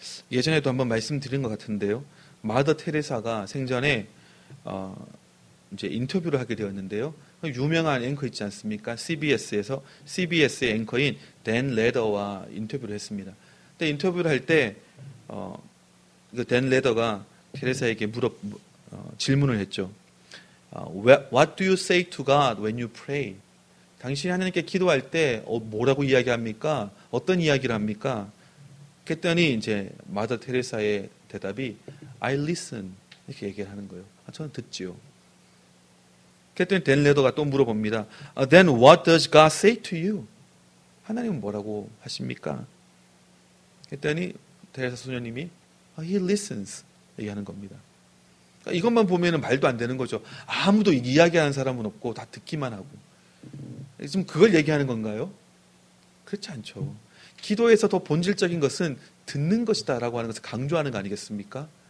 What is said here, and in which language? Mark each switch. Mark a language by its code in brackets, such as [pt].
[ko] 예전에도 한번 말씀드린 것 같은데요. 마더 테레사가 생전에 이제 인터뷰를 하게 되었는데요. 유명한 앵커 있지 않습니까? CBS에서 CBS의 앵커인 댄 레더와 인터뷰를 했습니다. 근데 인터뷰를 할 때 댄 레더가 테레사에게 질문을 했죠. [en] What do you say to God when you pray? [ko] 당신이 하나님께 기도할 때 뭐라고 이야기합니까? 어떤 이야기를 합니까? 그랬더니 이제 마더 테레사의 대답이 [en] I listen, [ko] 이렇게 얘기를 하는 거예요. 저는 듣지요. 그랬더니 댄 레더가 또 물어봅니다. [en] Then what does God say to you? [ko] 하나님은 뭐라고 하십니까? 그랬더니 테레사 소녀님이 [en] He listens, [ko] 얘기하는 겁니다. 그러니까 이것만 보면 말도 안 되는 거죠. 아무도 이야기하는 사람은 없고 다 듣기만 하고. 지금 그걸 얘기하는 건가요? 그렇지 않죠. 기도에서 더 본질적인 것은 듣는 것이다 라고 하는 것을 강조하는 거 아니겠습니까?